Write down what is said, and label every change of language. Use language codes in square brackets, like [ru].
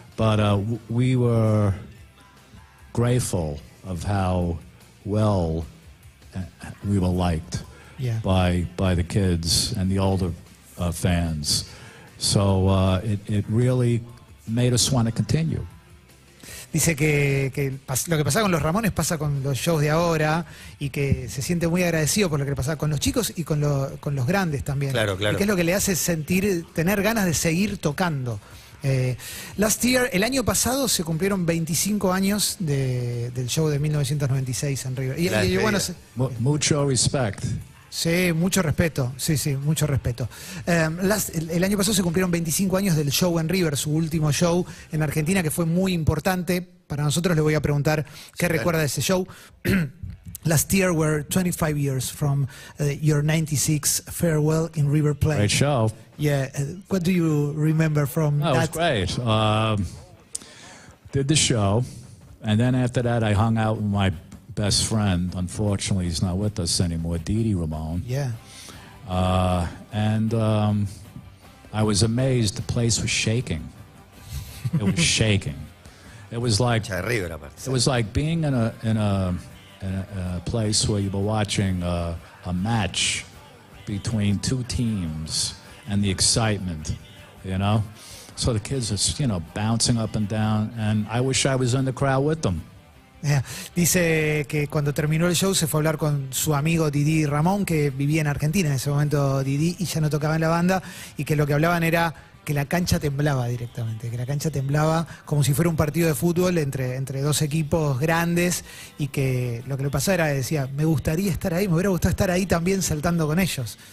[en] But we were grateful of how well we were liked by the kids and the older fans. So it really made us want to continue. [es] Dice que lo que pasa con los Ramones pasa con los shows de ahora, y que se siente muy agradecido por lo que pasa con los chicos y con los grandes también. Claro, claro. Y que es lo que le hace sentir, tener ganas de seguir tocando. El año pasado se cumplieron 25 años del show de 1996 en River. Mucho respeto. Sí, mucho respeto. Sí, mucho respeto. El año pasado se cumplieron 25 años del show en River, su último show en Argentina, que fue muy importante para nosotros. Le voy a preguntar qué recuerda de ese show. [en] Last year were 25 years from your 96 farewell in River Plate. Great show. Yeah. What do you remember from that? It was great. Did the show, and then after that I hung out with my best friend. Unfortunately, he's not with us anymore, Didi Ramone. Yeah. And I was amazed. The place was shaking. It was shaking. It was like being in a place where you were watching a match between two teams, and the excitement, you know. So the kids are, you know, bouncing up and down, and I wish I was in the crowd with them. Yeah. [es] Dice que cuando terminó el show se fue a hablar con su amigo Didi Ramón, que vivía en Argentina en ese momento Didi, y ya no tocaba en la banda, y que lo que hablaban era que la cancha temblaba directamente, que la cancha temblaba como si fuera un partido de fútbol entre dos equipos grandes, y que lo que le pasaba era, decía, me gustaría estar ahí, me hubiera gustado estar ahí también saltando con ellos.